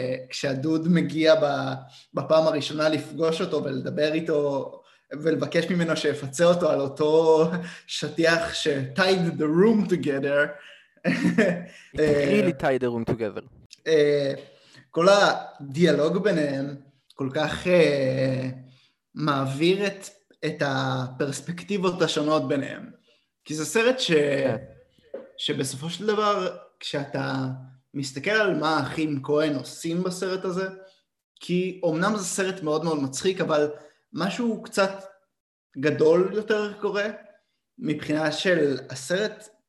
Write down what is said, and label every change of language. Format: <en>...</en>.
<he>כשהדוד מגיע בפעם הראשונה לפגוש אותו ולדבר איתו, ולבקש ממנו שיפצה אותו על אותו שטיח ש-</he> <en>tied the room together. It really tied the room together.</en> <he>כל הדיאלוג ביניהם כל כך מעביר את הפרספקטיבות השונות ביניהם. כי זה סרט שבסופו של דבר, כשאתה מסתכל על מה האחים כהן עושים בסרט הזה, כי אמנם זה סרט מאוד מאוד מצחיק, אבל משהו קצת גדול יותר קורה, מבחינה של הסרט</he>